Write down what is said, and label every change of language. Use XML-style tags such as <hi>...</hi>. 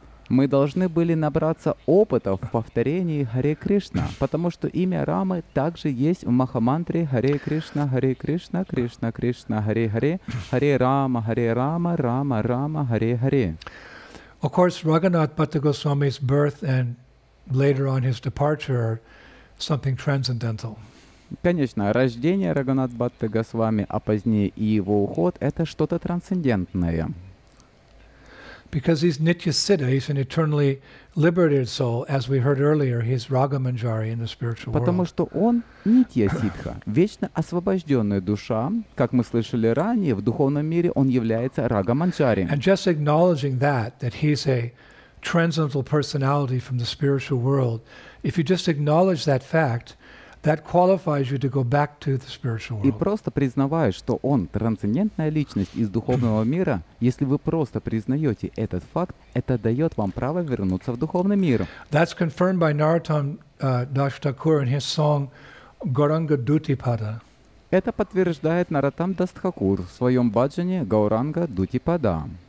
<ru>Мы должны были набраться опыта в повторении Харе Кришна, потому что имя Рамы также есть в Махамантре Харе Кришна, Харе Кришна, Кришна, Кришна, Харе Харе, Харе Рама, Харе Рама, Рама, Рама, Харе Харе.</ru> <en>Of course, Raghunath Bhatta Goswami's birth and later on his departure are something transcendental.</en> <ru>Конечно, рождение Раганат Бхатта Госвами, а позднее и его уход – это что-то трансцендентное.</ru> <en>Because he's Nitya Siddha, he's an eternally liberated soul, as we heard earlier, he's Raga Manjari in the spiritual world.</en> <ru>Потому что он Нитья Сиддха, вечно освобожденная душа, как мы слышали ранее, в духовном мире он является Рага Манджари.</ru> <en>And just acknowledging that, that he's a transcendental personality from the spiritual world, if you just acknowledge that fact, that qualifies you to go back to the spiritual world.</en> <ru>И просто признавая, что он трансцендентная личность из духовного мира, если вы просто признаете этот факт, это дает вам право вернуться в духовный мир.</ru> <en>That's confirmed by Narottam Das Thakur in his song Gauranga Dutipada.</en> <ru>Это подтверждает Narottam Das Thakur в своем баджане Гауранга Дутипада.</ru>